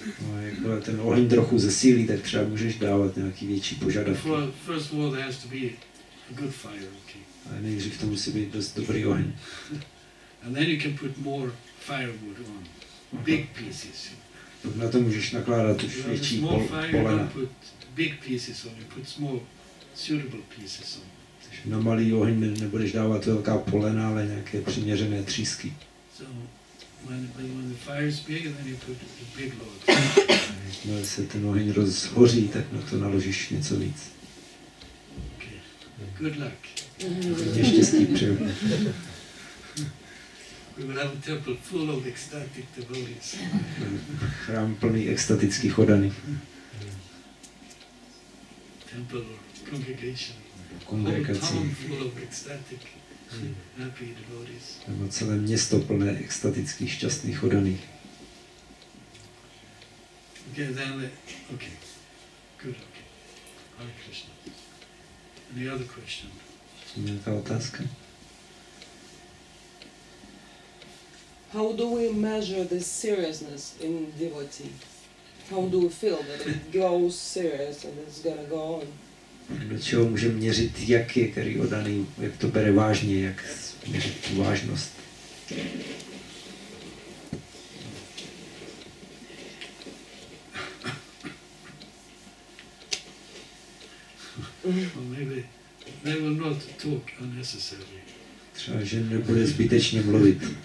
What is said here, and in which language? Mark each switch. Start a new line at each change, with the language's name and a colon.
Czech: No, jako ten oheň trochu zesílí, tak třeba můžeš dávat nějaký větší požadavky.
English: First of all, there has to be a good fire, okay.
Czech: A nejdřív to musí být dost dobrý oheň.
English: And then you can put more firewood on, big pieces.
Czech: Tak na to můžeš nakládat už větší polena.
English: Big pieces on, you put small, suitable pieces on.
Czech: Takže na malý oheň nebudeš dávat velká polena, ale nějaké přiměřené třísky.
English: So, when the fire is big, then you put a big load.
Czech: No, když se ten oheň rozhoří, tak na to naložíš něco víc.
English: Okay, good luck.
Czech: Hodně štěstí přeju.
English: We will have a temple full of ecstatic devotees.
Czech: Chrám plný extatických oddaných.
English: Temple or congregation.
Czech: Kongregací.
English: Whole town full of ecstatic, happy devotees.
Czech: Nebo celé město plné extatických, šťastných oddaných.
English: Okay, then, okay. Good, okay. Hare Krishna. Any other question?
Czech: Nějaká otázka?
English: How do we measure the seriousness in devotee? How do we feel that it goes serious and it's gonna go on?
Czech: Do čeho můžeme měřit, jak je který oddaný, jak to bere vážně, jak měřit tu vážnost?
English: Well, maybe they will not talk unnecessarily.
Czech: Třeba, že nebude zbytečně mluvit.